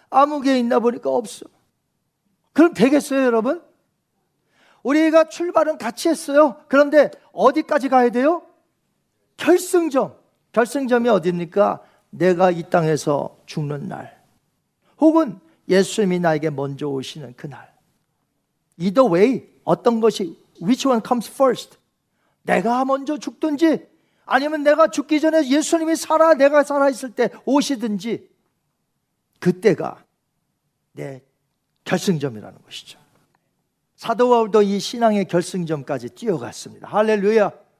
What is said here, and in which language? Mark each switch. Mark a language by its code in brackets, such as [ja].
[ko] 아무 게 있나 보니까 없어. 그럼 되겠어요, 여러분? 우리가 출발은 같이 했어요. 그런데 어디까지 가야 돼요? 결승점. 결승점이 어디입니까? 내가 이 땅에서 죽는 날. 혹은 예수님이 나에게 먼저 오시는 그날. [en] Either way, [ko] 어떤 것이, [en] which one comes first? [ko] 내가 먼저 죽든지, 아니면 내가 죽기 전에 예수님이 살아, 내가 살아있을 때 오시든지, 그때가 내 결승점이라는 것이죠. 사도 바울도 이 신앙의 결승점까지 뛰어갔습니다. 할렐루야.